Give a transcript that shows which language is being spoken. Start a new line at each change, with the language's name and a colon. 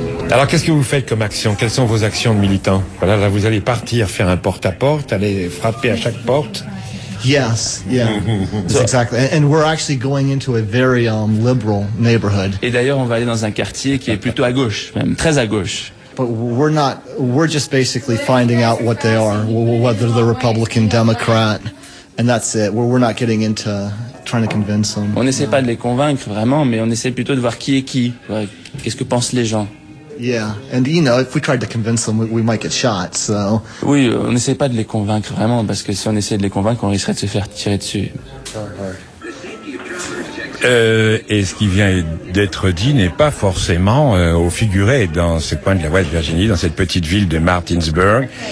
French: Alors, qu'est-ce que vous faites comme action? Quelles sont vos actions de militant? Voilà, là, vous allez partir faire un porte-à-porte, aller frapper à chaque porte.
English: Yes, yeah, so, exactly. And we're actually going into a very liberal neighborhood.
French: Et d'ailleurs, on va aller dans un quartier qui est plutôt à gauche, même très à gauche.
English: But we're not, we're just basically finding out what they are, whether they're Republican, Democrat, and that's it. We're not getting into trying to convince them.
French: On n'essaie pas de les convaincre vraiment, mais on essaie plutôt de voir qui est qui. Qu'est-ce que pensent les gens?
English: Yeah, and you know, if we tried to convince them, we might get shot. So.
French: Oui, on n'essaie pas de les convaincre vraiment, parce que si on essaie de les convaincre, on risquerait de se faire tirer dessus. Et ce qui vient d'être dit n'est pas forcément au figuré dans ce coin de la West Virginie, dans cette petite ville de Martinsburg.